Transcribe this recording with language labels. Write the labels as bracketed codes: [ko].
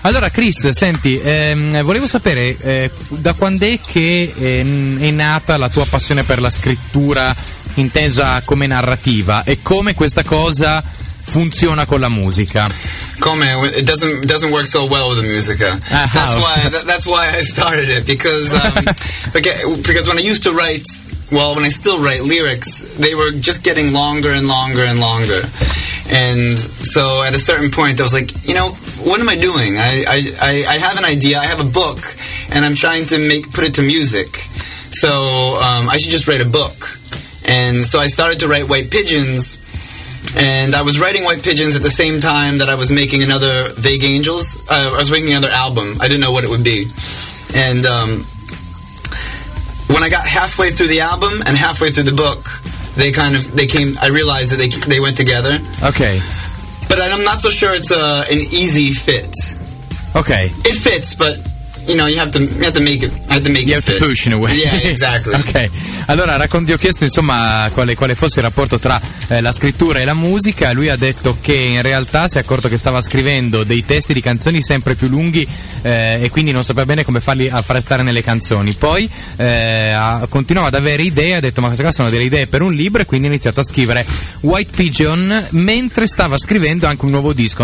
[it] Allora, Chris, senti, volevo sapere da quand'è che è nata la tua passione per la scrittura intesa come narrativa e come questa cosa funziona con la musica. [en] Come it doesn't work so well with the music. That's why I started it because when I used to write, well, when I still write lyrics, they were just getting longer and longer and longer. And so at a certain point I was like, you know, what am I doing? I have an idea, I have a book, and I'm trying to put it to music. So I should just write a book. And so I started to write White Pigeons. And I was writing White Pigeons at the same time that I was making another Vague Angels. I was making another album. I didn't know what it would be. And when I got halfway through the album and halfway through the book, I realized that they went together. Okay. But I'm not so sure it's an easy fit. Okay. It fits, but you know, you have to make it fit. You have to push in a way. Yeah, exactly. Okay. [it] Allora, ti ho chiesto insomma quale fosse il rapporto tra la scrittura e la musica. Lui ha detto che in realtà si è accorto che stava scrivendo dei testi di canzoni sempre più lunghi e quindi non sapeva bene come farli a fare stare nelle canzoni. Poi continuava ad avere idee, ha detto ma queste qua sono delle idee per un libro, e quindi ha iniziato a scrivere White Pigeon mentre stava scrivendo anche un nuovo disco.